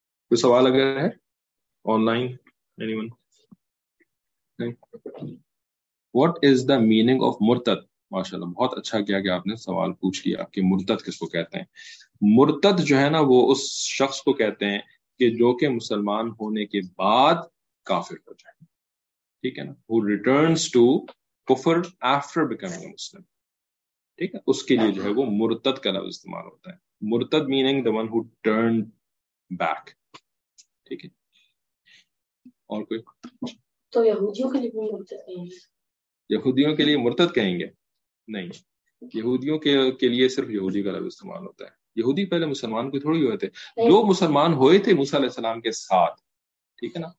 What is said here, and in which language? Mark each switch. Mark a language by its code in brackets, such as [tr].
[ur] کوئی سوال اگر ہے on line, [en] Anyone? What is the meaning of مرتد؟ [ur] ماشاء اللہ, بہت اچھا کیا کہ آپ نے سوال پوچھ لیا کہ مرتد کس کو کہتے ہیں. مرتد جو ہے نا وہ اس شخص کو کہتے ہیں کہ جو کہ مسلمان ہونے کے بعد کافر ہو جائے. ٹھیک ہے نا, [en] who returns to kufr after becoming a Muslim. [ur] ٹھیک ہے, اس کے لیے جو ہے وہ مرتد کا لفظ استعمال ہوتا ہے. [en] مرتد meaning the one who turned back. [ur] ٹھیک ہے, اور کوئی؟ تو یہودیوں کے لیے بھی مرتد کہیں گے؟ یہودیوں کے لیے مرتد کہیں گے؟ نہیں, یہودیوں کے لیے صرف یہودی کا لفظ استعمال ہوتا ہے. یہودی پہلے مسلمان کوئی تھوڑی ہوئے تھے, جو مسلمان ہوئے تھے موسیٰ علیہ السلام کے ساتھ. ٹھیک ہے نا,